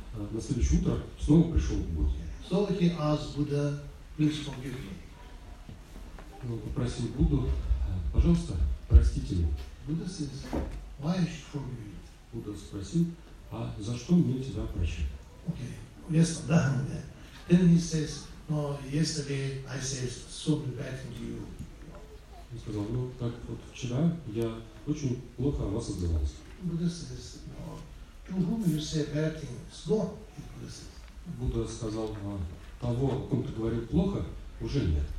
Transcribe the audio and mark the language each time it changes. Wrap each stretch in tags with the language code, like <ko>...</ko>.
<ru>На следующее утро снова пришел к Будде.</ru> <en>So he asked Buddha, please forgive me.</en> <ru>Он попросил Будду, пожалуйста, простите меня.</ru> <en>Buddha says, why I should forgive you?</en> <ru>Будда спросил, а за что мне тебя прощать?</ru> <en>Okay, yes, да, да. Then he says, no, yesterday I said so bad to you.</en> <ru>Он сказал, ну так вот вчера я очень плохо о вас отзывался.</ru> <en>Buddha says, no, to whom you say bad things, go. Buddha says.</en> <ru>Будда сказал, того, о ком ты говорил плохо, уже нет.</ru>